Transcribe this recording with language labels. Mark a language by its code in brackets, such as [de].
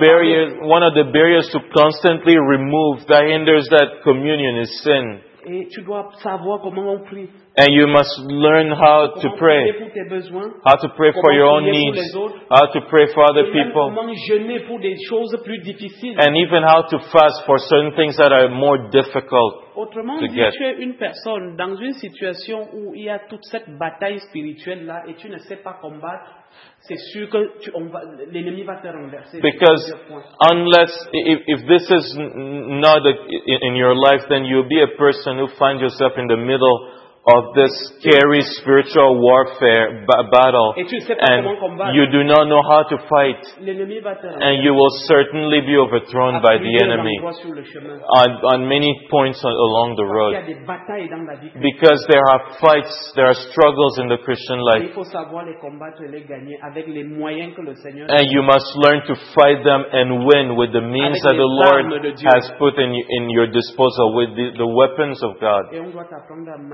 [en] One of the barriers to constantly remove that hinders that communion is sin. [fr] Et tu dois savoir comment on prie. [en] And you must learn how to pray. How to pray for your own needs. How to pray for other people. And even how to fast for certain things that are more difficult to get. [fr] Tu es une personne dans une situation où il y a toute cette bataille spirituelle là et tu ne sais pas combattre. [en] Because unless if this is not in your life, then you'll be a person who finds yourself in the middle of this scary spiritual warfare battle, and you do not know how to fight, and you will certainly be overthrown by the enemy on many points along the road, because there are fights, there are struggles in the Christian life, and you must learn to fight them and win with the means that the Lord has put in your disposal, with the weapons of God.